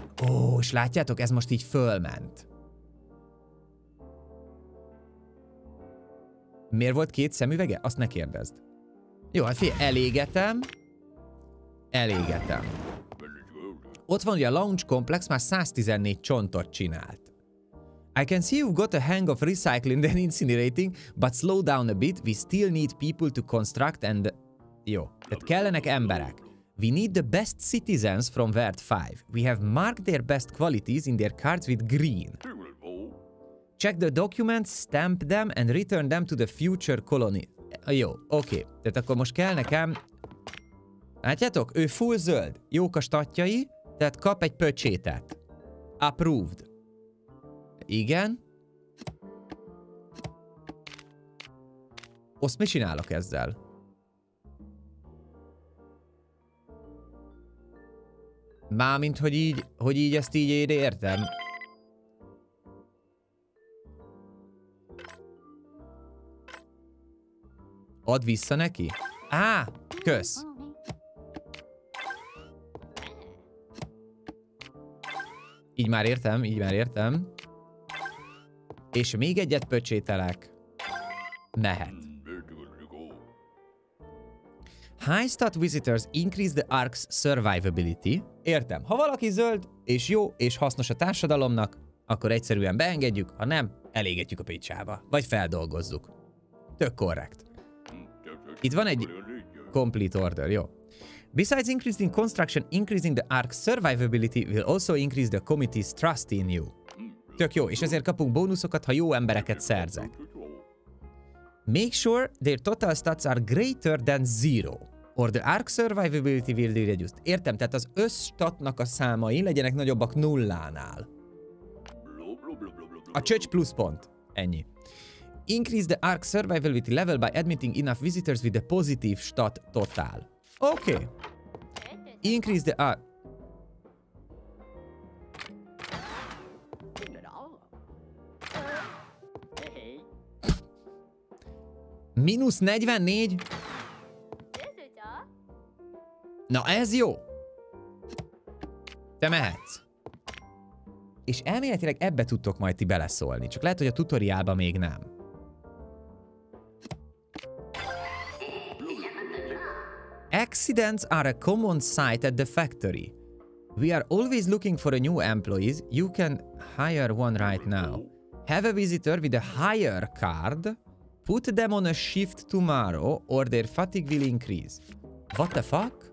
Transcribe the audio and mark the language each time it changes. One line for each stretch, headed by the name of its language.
Hungarian: Ó, és látjátok, ez most így fölment. Miért volt 2 szemüvege? Azt ne kérdezd. Jó, hát figyelj, elégetem. Elégetem. Ott van, hogy a launch complex már 114 csontot csinált.
English: I can see you've got a hang of recycling and incinerating, but slow down a bit, we still need people to construct and...
Hungarian: Jó, tehát kellenek emberek.
English: We need the best citizens from Vert 5. We have marked their best qualities in their cards with green. Check the documents, stamp them and return them to the future colony. Jó, oké. Okay.
Hungarian: Tehát akkor most kell nekem... Látjátok? Ő full zöld. Jók a statjai. Tehát kap egy pöcsétet. Approved. Igen. Azt mit csinálok ezzel? Mármint, hogy így ezt így értem. Add vissza neki? Á, kösz. Így már értem. És még egyet pöcsételek. Mehet.
English: High stat visitors increase the Ark's survivability.
Hungarian: Értem. Ha valaki zöld, és jó, és hasznos a társadalomnak, akkor egyszerűen beengedjük, ha nem, elégetjük a picsába. Vagy feldolgozzuk. Tök korrekt. Itt van egy complete order, jó.
English: Besides increasing construction, increasing the Ark's survivability will also increase the committee's trust in you.
Hungarian: Tök jó, és ezért kapunk bónuszokat, ha jó embereket szerzek.
English: Make sure their total stats are greater than zero, or the Ark survivability will be reduced.
Hungarian: Értem, tehát az összstatnak a számai legyenek nagyobbak nullánál. A csöcs plusz pont. Ennyi.
English: Increase the Ark survivability level by admitting enough visitors with a positive stat total. Oké. Okay. Increase the Ark...
Hungarian: Minusz 44. Na ez jó. Te mehetsz. És elméletileg ebbe tudtok majd ti beleszólni. Csak lehet, hogy a tutoriálban még nem.
English: Accidents are a common sight at the factory. We are always looking for a new employees. You can hire one right now. Have a visitor with a hire card. Put them on a shift tomorrow, or their fatigue will increase. What the fuck?